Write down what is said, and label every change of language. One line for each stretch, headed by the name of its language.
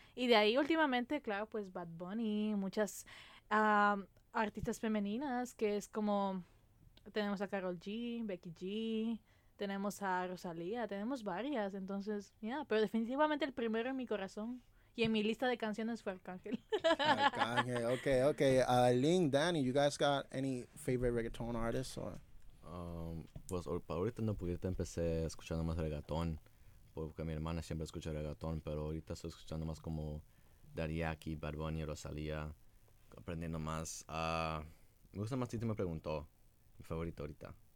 Spanish: Y de ahí últimamente, claro, pues Bad Bunny, muchas artistas femeninas, que es como... Tenemos a Karol G, Becky G, tenemos a Rosalía, tenemos varias. Entonces, mira, pero definitivamente el primero en mi corazón y en mi lista de canciones fue Arcángel. Arcángel, okay, okay.
English: Aline, Danny, you guys got any favorite reggaeton artists? Or?
Spanish: Pues ahorita no, porque ahorita empecé escuchando más reggaeton, porque mi hermana siempre escucha reggaeton, pero ahorita estoy escuchando más como Daddy Yankee, Bad Bunny, Rosalía, aprendiendo más. Me gusta más, si te me preguntó. Favorito ahorita.